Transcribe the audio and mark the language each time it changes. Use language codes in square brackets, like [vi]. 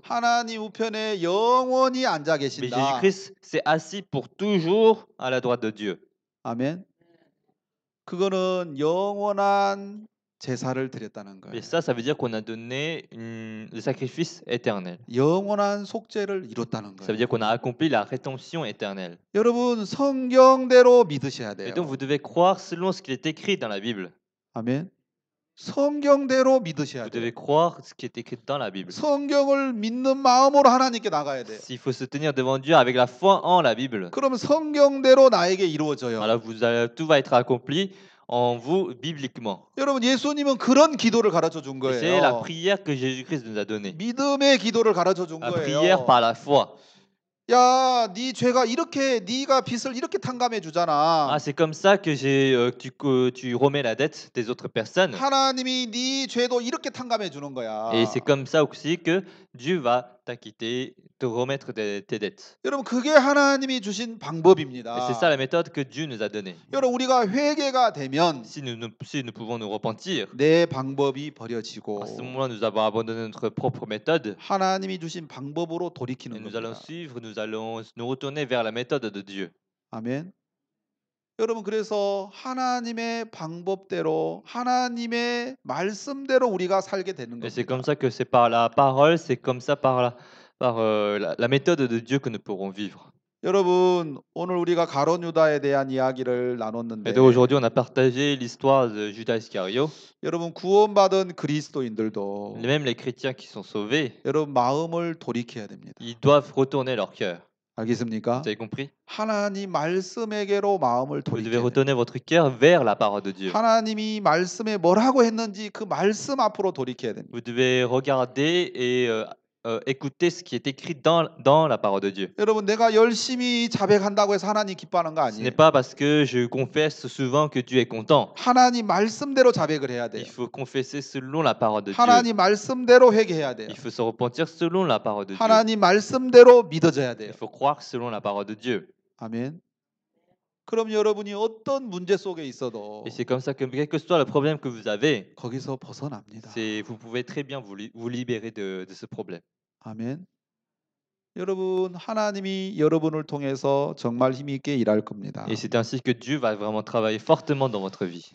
[ko] 하나님 우편에 영원히 앉아 계신다. [fr] Mais Jésus-Christ s'est assis pour toujours à la droite de Dieu. [ko] 아멘. 그거는 영원한 제사를 드렸다는 거예요. [fr] Et ça, ça veut dire qu'on a donné le sacrifice éternel. [ko] 영원한 속죄를 이뤘다는 거예요. [fr] Ça veut dire qu'on a accompli la rédemption éternelle. [ko] 여러분 성경대로 믿으셔야 돼요. [fr] Et donc vous devez croire selon ce qui est écrit dans la Bible. [ko] 아멘. 성경대로 믿으셔야 돼요. [fr] Vous devez croire ce qui est écrit dans la Bible. [ko] 성경을 믿는 마음으로 하나님께 나가야 돼요. [fr] S'il faut se tenir devant Dieu avec la foi en la Bible. [ko] 그럼 성경대로 나에게 이루어져요. [fr] Alors vous allez, tout va être accompli en vous bibliquement. [ko] 여러분 예수님은 그런 기도를 가르쳐 준 거예요. [fr] Et c'est la prière que Jésus-Christ nous a donné. [ko] 믿음의 기도를 가르쳐 준 거예요. [fr] La prière par la foi. [ko] 야, 네 죄가 이렇게 네가 빚을 이렇게 탕감해 주잖아. [fr] Ah, c'est comme ça que tu remets la dette des autres personnes. [ko] 하나님이 네 죄도 이렇게 탕감해 주는 거야. [fr] Et c'est comme ça aussi que Dieu va t'acquitter, te remettre tes dettes. [ko] 여러분, 그게 하나님이 주신 방법입니다. [fr] Et c'est ça la méthode que Dieu nous a donnée. [ko] 여러분, 우리가 회개가 되면 [fr] si nous pouvons nous repentir, [ko] 내 방법이 버려지고 [fr] à ce moment-là, nous avons abandonné notre propre méthode, [ko] 하나님이 주신 방법으로 돌이키는 [fr] et nous [ko] 겁니다. [fr] allons suivre, nous allons nous retourner vers la méthode de Dieu. [ko] 아멘. 여러분, 그래서 하나님의 방법대로, 하나님의 말씀대로 우리가 살게 되는 겁니다. [fr] C'est comme ça que c'est par la parole, c'est comme ça par la méthode de Dieu que nous pourrons vivre. [ko] 여러분, 오늘 우리가 가룟 유다에 대한 이야기를 나눴는데. [fr] Et aujourd'hui on a partagé l'histoire de Judas Iscariot. [ko] 여러분, 구원받은 그리스도인들도 [fr] même les chrétiens qui sont sauvés, [ko] 여러분 마음을 돌이켜야 됩니다. [fr] Ils doivent retourner leur cœur. [ko] 알겠습니까? [fr] Vous avez compris? [ko] 하나님 말씀에게로 마음을 돌이켜. [fr] Vous devez retourner votre cœur vers la parole de Dieu. [ko] 하나님이 말씀에 뭐라고 했는지 그 말씀 앞으로 돌이켜야 됩니다. [fr] Vous devez regarder et écouter ce qui est écrit dans la parole de Dieu. [ko] 여러분, 내가 열심히 자백한다고 해서 하나님 기뻐하는 거 아니에요? [fr] Ce n'est pas parce que je confesse souvent que Dieu est content. [ko] 하나님 말씀대로 자백을 해야 돼. [fr] Il faut confesser selon la parole de 하나님 [ko] 하나님 말씀대로 회개해야 돼. [fr] Il faut se repentir selon la parole de [ko] 하나님 하나님 말씀대로 믿어져야 돼. [fr] Il faut croire selon la parole de Dieu. [ko] 아멘. 그럼 여러분이 어떤 문제 속에 있어도 [fr] Et c'est comme ça que quel que soit le problème que vous avez, [ko] 거기서 벗어납니다. [fr] C'est vous pouvez très bien vous libérer de ce problème. [ko] 아멘. 여러분, 하나님이 여러분을 통해서 정말 힘 있게 일할 겁니다. [fr] Et c'est ainsi que Dieu va vraiment travailler fortement dans votre vie.